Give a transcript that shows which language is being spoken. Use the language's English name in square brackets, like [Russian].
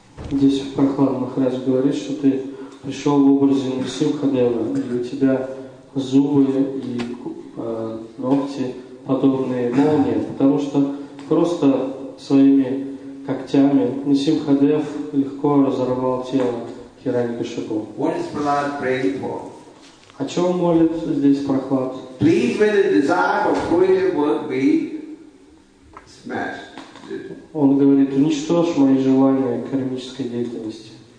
[Russian] Здесь Прохлад Махарадж говорит, что ты пришел в образе Нарсимхадева, и у тебя зубы и ногти подобные молнии, потому что просто своими когтями Нарсимхадев легко разорвал тело Хиранькашипу. О чем молит здесь Прохлад? [English] Please may the desire of creative work be smashed. [Russian] Он говорит, уничтожь мои желания кармической деятельности.